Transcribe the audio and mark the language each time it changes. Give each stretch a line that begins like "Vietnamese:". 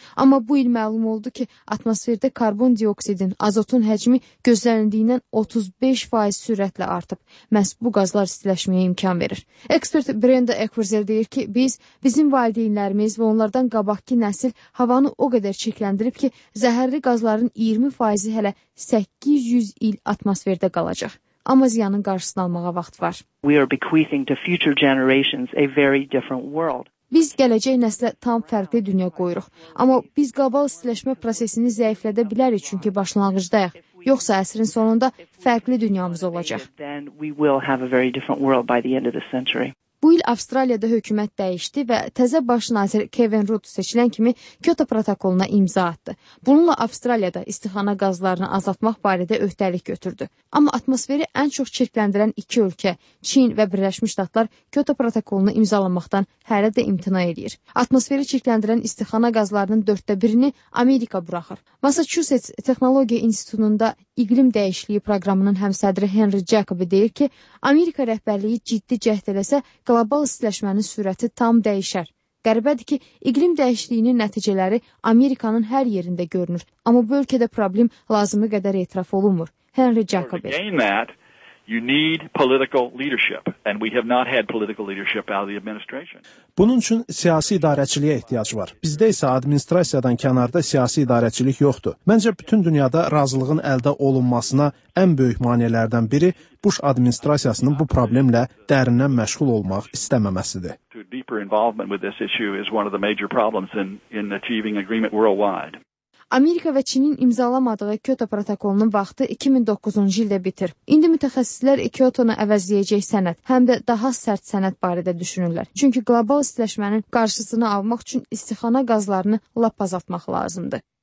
Azerbaijani: Amma bu il məlum oldu ki, atmosferdə karbon dioksidin, azotun həcmi gözləndiyindən 35% sürətlə artıb. Məhz bu qazlar istiləşməyə imkan verir. Ekspert Brenda Ekwerzel deyir ki, bizim valideynlərimiz və onlardan qabaqki nəsil havanı o qədər çirkləndirib ki, zəhərli qazların 20% hələ 800 il atmosferdə qalacaq. Amma ziyanın qarşısını almağa vaxt var.
English: We are bequeathing to future generations a very different world.
Azerbaijani: Biz gələcək nəslə tam fərqli dünya qoyuruq. Amma biz qlobal istiləşmə prosesini zəiflədə bilərik çünki başlanğıcdayıq. Yoxsa əsrin sonunda fərqli dünyamız olacaq. Bu il Avstraliyada hökumət dəyişdi və təzə baş nazir Kevin Rudd seçilən kimi Kyoto protokoluna imza atdı. Bununla Avstraliyada istixana qazlarını azaltmaq barədə öhdəlik götürdü. Amma atmosferi ən çox çirkləndirən iki ölkə, Çin və Birləşmiş Ştatlar, Kyoto protokolunu imzalamaqdan hələ də imtina edir. Atmosferi çirkləndirən istixana qazlarının dörddə birini Amerika buraxır. Massachusetts Texnologiya İnstitutunda İqlim Dəyişikliyi proqramının həmsədri Henry Jacobi deyir ki, Amerika rəhbərliyi ciddi cəhd eləsə, qlobal istiləşmənin sürəti tam dəyişər. Qəribədir ki, iqlim dəyişikliyinin nəticələri Amerikanın hər yerində görünür, amma bu ölkədə problem lazımı qədər etiraf olunmur. Henry Jacobi.
English: You need political leadership and we have not had political leadership out of the administration.
Azerbaijani: Bunun üçün siyasi idarəçiliyə ehtiyac var. Bizdə isə administrasiyadan kənarda siyasi idarəçilik yoxdur. Məncə bütün dünyada razılığın əldə olunmasına ən böyük maneələrdən biri Bush administrasiyasının bu problemlə dərindən məşğul olmaq istəməməsidir.
English: involvement with this issue is one of the major problems in achieving agreement worldwide.
Azerbaijani: Amerika və Çinin imzalamadığı Kyoto protokolunun vaxtı 2009-cu ildə bitir. İndi mütəxəssislər Kyoto-nu əvəzləyəcək sənəd, həm də daha sərt sənəd barədə düşünürlər. Çünki qlobal istiləşmənin qarşısını almaq üçün istixana qazlarını lap azaltmaq lazımdır.